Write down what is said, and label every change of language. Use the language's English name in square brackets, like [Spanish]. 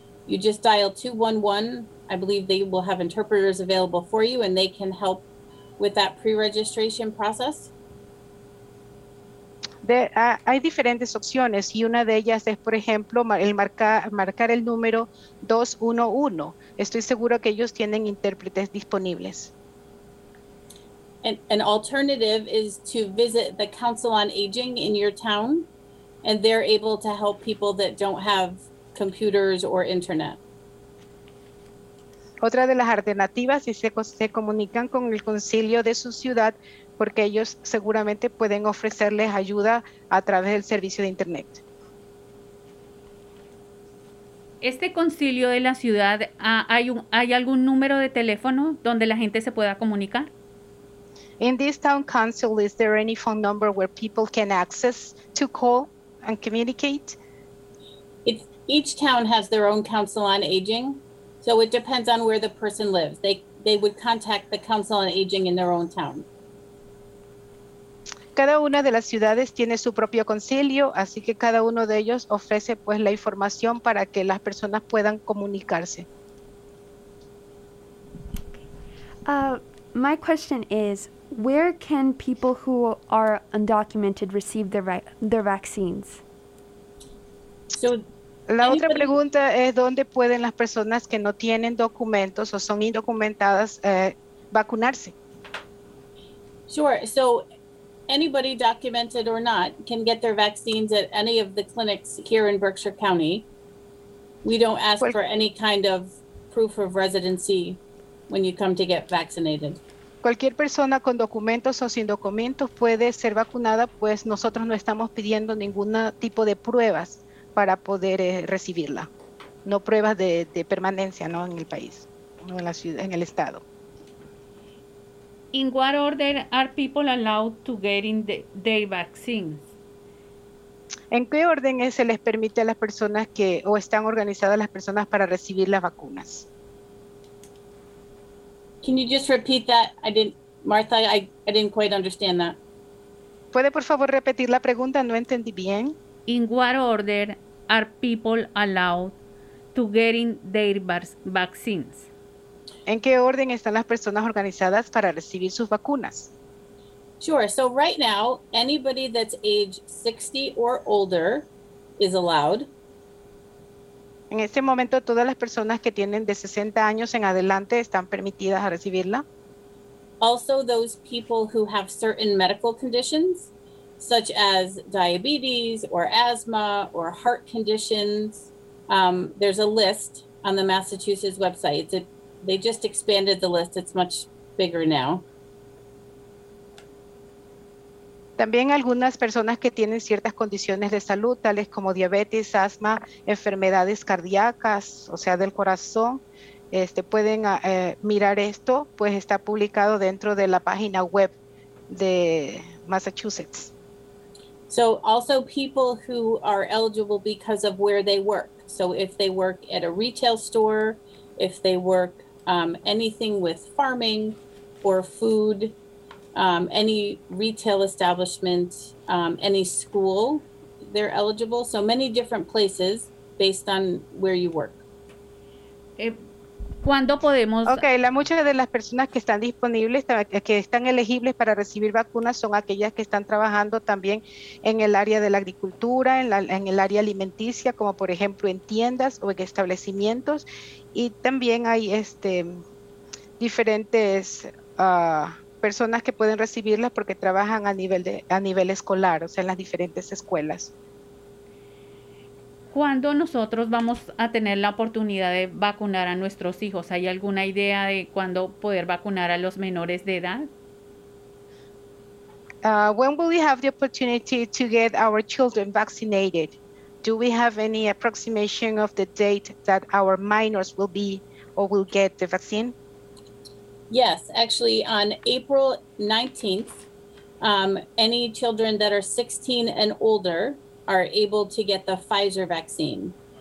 [English] You just dial 211. I believe they will have interpreters available for you, and they can help with that pre-registration process. [Spanish] Hay diferentes opciones, y una de ellas es, por ejemplo, marcar el número 211. Estoy seguro que ellos tienen intérpretes disponibles. [English] An alternative is to visit the Council on Aging in your town, and they're able to help people that don't have computers or internet. [Spanish] Otra de las alternativas es se comunican con el concilio de su ciudad, porque ellos seguramente pueden ofrecerles ayuda a través del servicio de internet. Este concilio de la ciudad, ¿hay algún número de teléfono donde la gente se pueda comunicar? [English] In this town council, is there any phone number where people can access to call and communicate? Each town has their own council on aging, so it depends on where the person lives. They would contact the council on aging in their own town. [Spanish] Cada una de las ciudades tiene su propio concilio, así que cada uno de ellos ofrece pues la información para que las personas puedan comunicarse. [English] My question is, where can people who are undocumented receive their vaccines? [Spanish] So, otra pregunta es, ¿dónde pueden las personas que no tienen documentos o son indocumentadas vacunarse? [English] Sure. So, anybody documented or not can get their vaccines at any of the clinics here in Berkshire County. We don't ask for any kind of proof of residency when you come to get vaccinated. [Spanish] Cualquier persona con documentos o sin documentos puede ser vacunada, pues nosotros no estamos pidiendo ningún tipo de pruebas para poder recibirla. No pruebas de permanencia, ¿no?, en el país, no en la ciudad, en el estado. [English] In what order are people allowed to get in their vaccines? [Spanish] ¿En qué orden se les permite a las personas que o están organizadas las personas para recibir las vacunas? [English] Can you just repeat that? I didn't quite understand that. [Spanish] ¿Puede por favor repetir la pregunta? No entendí bien. [English] In what order are people allowed to get in their vaccines? [Spanish] ¿En qué orden están las personas organizadas para recibir sus vacunas? [English] Sure. So right now, anybody that's age 60 or older is allowed. [Spanish] En este momento, todas las personas que tienen de 60 años en adelante están permitidas a recibirla. [English] Also, those people who have certain medical conditions, such as diabetes or asthma or heart conditions. There's a list on the Massachusetts website. They just expanded the list. It's much bigger now. [Spanish] También algunas personas que tienen ciertas condiciones de salud, tales como diabetes, asma, enfermedades cardíacas, o sea, del corazón, pueden mirar esto, pues está publicado dentro de la página web de Massachusetts. [English] So also people who are eligible because of where they work. So if they work at a retail store, if they work anything with farming or food, any retail establishment, any school, they're eligible. So many different places based on where you work. [Spanish] ¿Cuándo podemos...? Ok, muchas de las personas que están disponibles, que están elegibles para recibir vacunas, son aquellas que están trabajando también en el área de la agricultura, en el área alimenticia, como por ejemplo en tiendas o en establecimientos. Y también hay diferentes personas que pueden recibirlas porque trabajan a nivel escolar, o sea, en las diferentes escuelas. ¿Cuándo nosotros vamos a tener la oportunidad de vacunar a nuestros hijos? ¿Hay alguna idea de cuándo poder vacunar a los menores de edad? [English] When will we have the opportunity to get our children vaccinated? Do we have any approximation of the date that our minors will be or will get the vaccine? Yes, actually on April 19th, any children that are 16 and older are able to get the Pfizer vaccine.